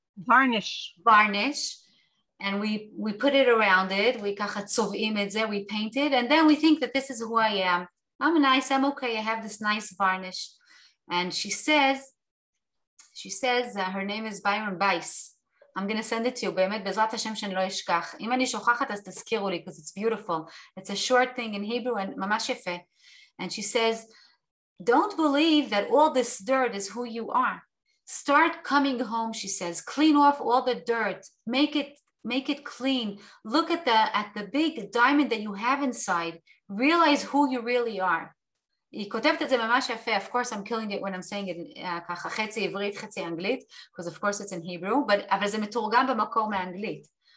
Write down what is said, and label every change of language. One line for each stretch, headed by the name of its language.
English: Varnish. Varnish. And we put it around it, we
Hebrew: kacha tzuvim et ze,
English: we paint it, and then we think that this is who I am. I'm nice, I'm okay, I have this nice varnish. And she says, her name is Byron Bais. I'm going to send it to you,
Hebrew: באמת, בעזרת השם שאני לא אשכח. אם אני שוכחת, אז תזכירו לי,
English: because it's beautiful. It's a short thing in Hebrew, and
Hebrew: ממש יפה.
English: And she says, don't believe that all this dirt is who you are. Start coming home, she says. Clean off all the dirt. Make it clean. Look at the big diamond that you have inside. Realize who you really are.
Hebrew: היא כותבת את זה ממש יפה.
English: Of course, I'm killing it when I'm saying it
Hebrew: ככה, חצי עברית, חצי אנגלית,
English: because of course it's in Hebrew, but
Hebrew: אבל זה מתורגם במקור מאנגלית.